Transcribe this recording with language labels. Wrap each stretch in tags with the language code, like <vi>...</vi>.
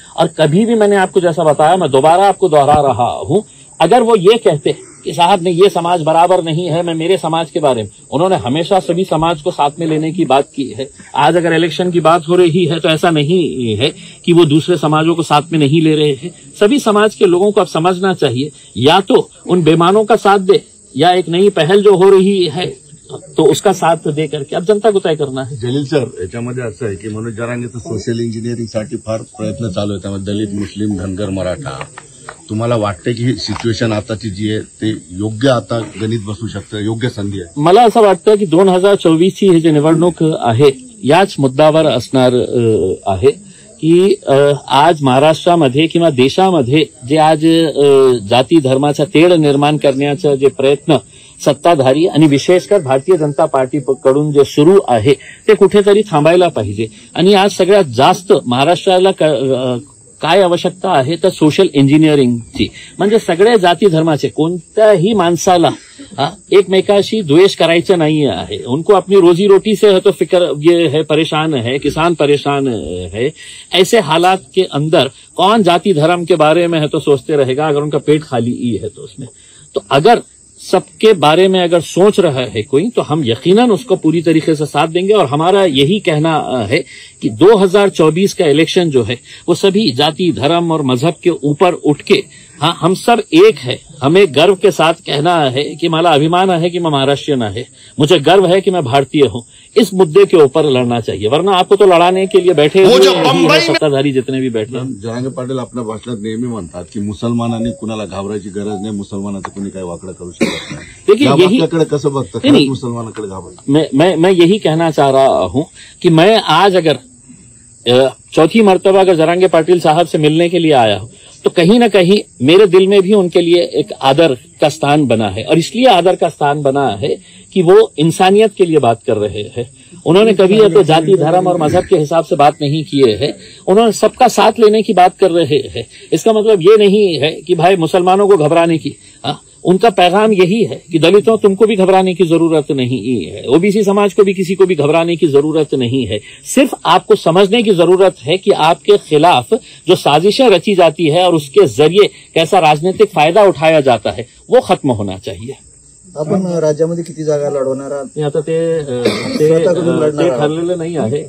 <hi>और कभी भी मैंने आपको जैसा बताया, मैं दोबारा आपको दोहरा रहा हूं, अगर वो ये कहते कि साहब ने ये समाज बराबर नहीं है, मैं मेरे समाज के बारे में, उन्होंने हमेशा सभी समाज को साथ में लेने की बात की है। आज अगर इलेक्शन की बात हो रही है तो ऐसा नहीं है कि वो दूसरे समाजों को साथ में नहीं ले रहे हैं। सभी समाज के लोगों को अब समझना चाहिए, या तो उन बेमानों का साथ दे या एक नई पहल जो हो रही है तो उसका साथ दे करके अब जनता को तय करना है।</hi> <mr>जलील सर, याच्यामध्ये असं आहे की मनोज जरांगी तो सोशल इंजिनियरिंग साठी फार प्रयत्न चालू आहेत, त्यामध्ये दलित मुस्लिम धनगर मराठा, तुम्हाला वाटते की सिच्युएशन आताची जी आहे ते योग्य आता गणित बसू शकतं, योग्य संधी आहे? मला असं वाटतं की 2024 ची ही जी निवडणूक आहे याच मुद्द्यावर असणार आहे की आज महाराष्ट्रामध्ये किंवा देशामध्ये जे आज जाती धर्माचा तेढ निर्माण करण्याचा जे प्रयत्न सत्ताधारी आणि विशेषकर भारतीय जनता पार्टी कडून जे सुरू आहे ते कुठेतरी थांबायला पाहिजे। आणि आज सगळ्यात जास्त महाराष्ट्राला काय आवश्यकता आहे तर सोशल इंजिनिअरिंगची, म्हणजे सगळे जाती धर्माचे कोणत्याही माणसाला एकमेकाशी द्वेष करायचं नाही आहे।</mr> <hi>उनको अपनी रोजी रोटी से है तो फिकर ये है, परेशान है, किसान परेशान है, ऐसे हालात के अंदर कौन जाति धर्म के बारे में है तो सोचते रहेगा अगर उनका पेट खाली ही है तो उसमें। तो अगर सबके बारे में अगर सोच रहा है कोई तो हम यकीनन उसको पूरी तरीके से साथ देंगे। और हमारा यही कहना है कि 2024 का इलेक्शन जो है वो सभी जाति धर्म और मजहब के ऊपर उठ के, हाँ, हम सब एक है। हमें गर्व के साथ कहना है कि माला अभिमान है कि मैं महाराष्ट्रीयन है, मुझे गर्व है कि मैं भारतीय हूँ, इस मुद्दे के ऊपर लड़ना चाहिए। वरना आपको तो लड़ाने के लिए बैठे सत्ताधारी जितने भी बैठे।</hi> <mr>जहांगीर पाटिल अपने भाषण नेहमी म्हणतात की मुसलमानांनी कुणाला घाबरायची गरज नाही, मुसलमानांचं कोणी काही वाकड करू शकत नाही।</mr> <hi>देखिए</hi> <mr>कसं बघतं मुसलमानांकडे घाबरायचं?</mr> <hi>मैं यही कहना चाह रहा हूँ कि मैं आज अगर चौथी मर्तबा अगर जहांगीर पाटिल साहब से मिलने के लिए आया हूँ तो कहीं ना कहीं मेरे दिल में भी उनके लिए एक आदर का स्थान बना है। और इसलिए आदर का स्थान बना है कि वो इंसानियत के लिए बात कर रहे हैं। उन्होंने कभी तो जाति धर्म और मजहब के हिसाब से बात नहीं किए है, उन्होंने सबका साथ लेने की बात कर रहे हैं। इसका मतलब ये नहीं है कि भाई मुसलमानों को घबराने की, उनका पैगाम यही है कि दलितों तुमको भी घबराने की जरूरत नहीं है, ओबीसी समाज को भी किसी को भी घबराने की जरूरत नहीं है। सिर्फ आपको समझने की जरूरत है कि आपके खिलाफ जो साजिशें रची जाती है और उसके जरिए कैसा राजनीतिक फायदा उठाया जाता है वो खत्म होना चाहिए।</hi> <mr>अपन राज्यामध्ये किती जागा लढवणार आहात? आता ते स्वतःकडून लढणार आहे, ठरलेलं नाही आहे।</mr>